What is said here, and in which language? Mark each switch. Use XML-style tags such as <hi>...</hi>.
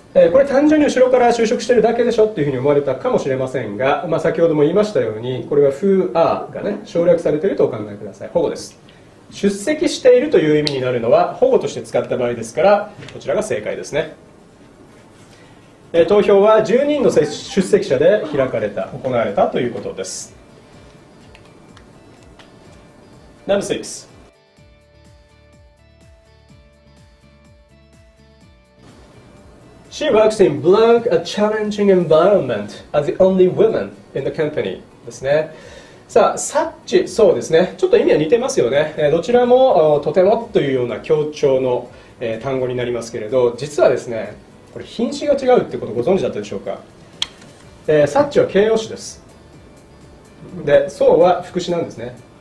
<ja>これ単純に後ろから修飾してるだけでしょっていうふうに思われたかもしれませんが、まあ、先ほども言いましたように、これは who are がね、省略されているとお考えください。保護です。出席しているという意味になるのは保護として使った場合ですから、こちらが正解ですね。投票は10人の出席者で開かれた、行われたということです。</ja> <en>Number 6 She works in blank a challenging environment as the only woman in the company ですね。</en> <ja>さあ、サッチ、そうですね、ちょっと意味は似てますよね。どちらもとてもというような強調の、単語になりますけれど、実はですね、これ品詞が違うってことをご存知だったでしょうか。サッチは形容詞です。で、そうは副詞なんですね。</ja>